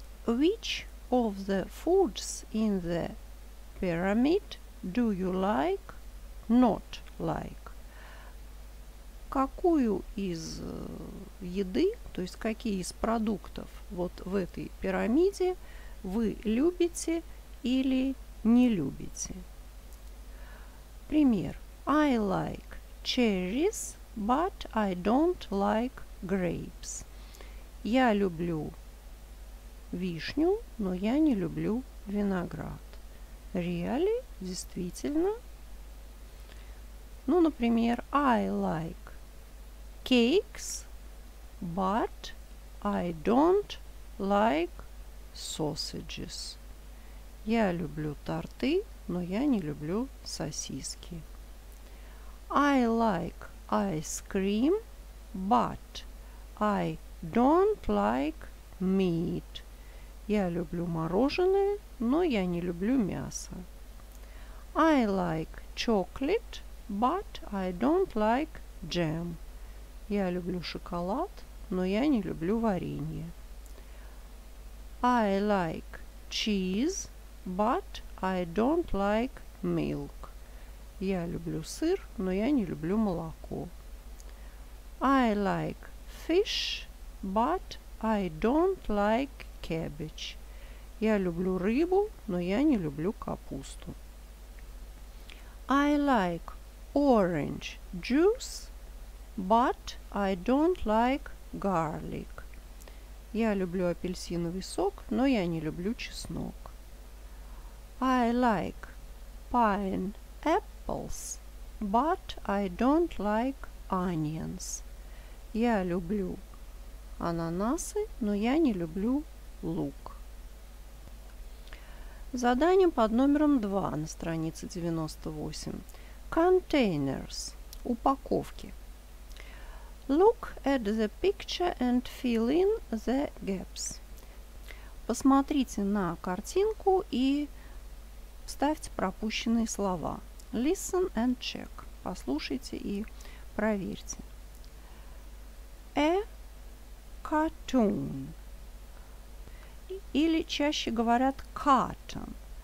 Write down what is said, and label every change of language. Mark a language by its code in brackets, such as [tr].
[en] Which of the foods in the pyramid do you like, not like? [ru] Какую из еды, то есть какие из продуктов вот в этой пирамиде вы любите или не любите? Пример. [en] I like cherries, but I don't like grapes. [ru] Я люблю вишню, но я не люблю виноград. [en] Really? [ru] Действительно? Ну, например, [en] I like cakes, but I don't like sausages. [ru] Я люблю торты, но я не люблю сосиски. [en] I like ice cream, but I don't like meat. [ru] Я люблю мороженое, но я не люблю мясо. [en] I like chocolate, but I don't like jam. [ru] Я люблю шоколад, но я не люблю варенье. [en] I like cheese, but I don't like milk. [ru] Я люблю сыр, но я не люблю молоко. [en] I like fish, but I don't like cabbage. [ru] Я люблю рыбу, но я не люблю капусту. [en] I like orange juice, but I don't like garlic. [ru] Я люблю апельсиновый сок, но я не люблю чеснок. [en] I like pineapples, but I don't like onions. [ru] Я люблю ананасы, но я не люблю лук. Задание под номером 2 на странице 98. [en] Containers. [ru] Упаковки. [en] Look at the picture and fill in the gaps. [ru] Посмотрите на картинку и ставьте пропущенные слова. [en] Listen and check. [ru] Послушайте и проверьте. [en] A cartoon. [ru] Или чаще говорят [en] carton.